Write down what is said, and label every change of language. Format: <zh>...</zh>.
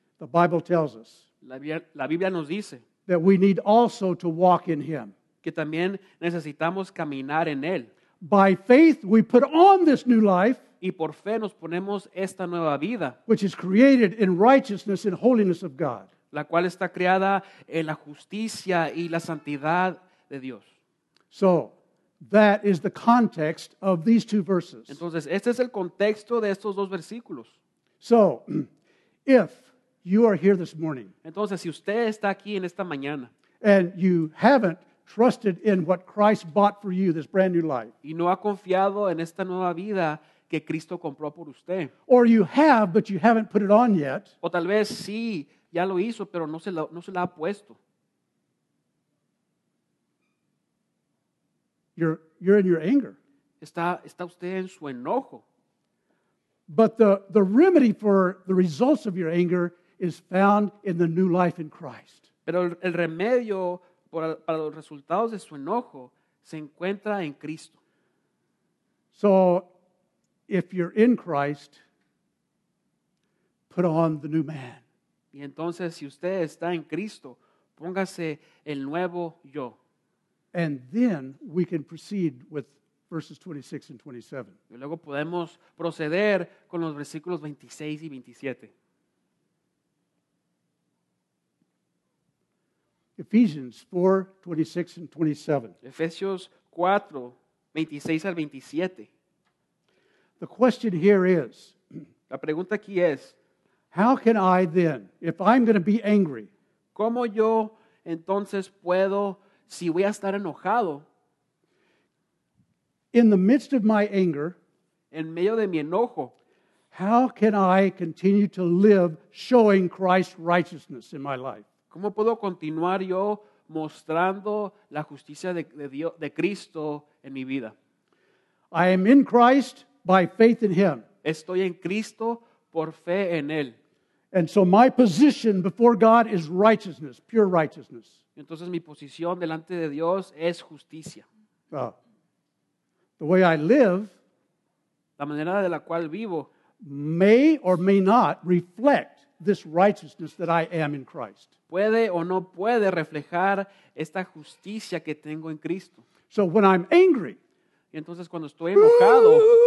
<en>The Bible tells us.</en> <es>La Biblia nos dice.</es> <en>That we need also to walk in Him.</en> <es>Que también necesitamos caminar en Él.</es> <en>By faith, we put on this new life,</en> <es>y por fe nos ponemos esta nueva vida,</es> <en>which is created in righteousness and holiness of God.</en> <es>La cual está creada en la justicia y la santidad de Dios.</es> <en>So, That is the context of these two verses.</en> <es>Entonces, este es el contexto de estos dos versículos.</es> <en>So, if you are here this morning,</en> <es>entonces, si usted está aquí en esta mañana,</es> <en>and you haven't trusted in what Christ bought for you, this brand new life,</en> <es>y no ha confiado en esta nueva vida que Cristo compró por usted,</es> <en>or you have, but you haven't put it on yet,</en> <es>o tal vez sí, ya lo hizo, pero no se la ha puesto.</es> <en>You're in your anger.</en> <es>Está usted en su enojo.</es> <en>But the remedy for the results of your anger is found in the new life in Christ.</en> <es>Pero el remedio para los resultados de su enojo se encuentra en Cristo.</es> <en>So, if you're in Christ, put on the new man.</en> <es>Y entonces, si usted está en Cristo, póngase el nuevo yo.</es> <en>And then we can proceed with verses 26 and 27.</en> <es>Y luego podemos proceder con los versículos 26 y 27.</es> <en>Ephesians 4, 26 and 27.</en> <es>Efesios 4, 26 al 27.</es> <en>The question here is,</en> <es>la pregunta aquí es,</es> <en>how can I then, if I'm going to be angry,</en> <es>¿cómo yo entonces puedo, si voy a estar enojado,</es> <en>in the midst of my anger,</en> <es>en medio de mi enojo,</es> <en>how can I continue to live showing Christ's righteousness in my life?</en> <es>¿Cómo puedo continuar yo mostrando la justicia de Dios, de Cristo en mi vida?</es> <en>I am in Christ by faith in Him.</en> <es>Estoy en Cristo por fe en Él.</es> <en>And so my position before God is righteousness, pure righteousness.</en> <es>Entonces mi posición delante de Dios es justicia.</es> <en>The way I live,</en> <es>la manera de la cual vivo,</es> <en>may or may not reflect this righteousness that I am in Christ.</en> <es>Puede o no puede reflejar esta justicia que tengo en Cristo.</es> <en>So when I'm angry,</en> <es>y entonces cuando estoy enojado,</es>